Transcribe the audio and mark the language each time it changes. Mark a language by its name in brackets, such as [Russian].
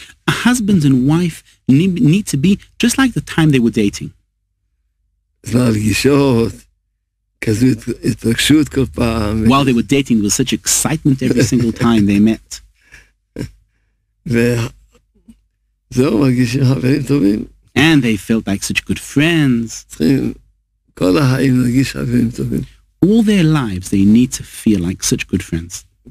[English] A husband and wife need to be just like the time they were dating. [Hebrew] זמן הפגישות, כזו התרגשות כל פעם. [English] While they were dating, there was such excitement every single time they met. [Hebrew] וזהו, מרגישים חברים טובים. [English] And they felt like such good friends. [Hebrew] צריכים כל החיים להרגיש חברים טובים. [English] All their lives, they need to feel like such good friends.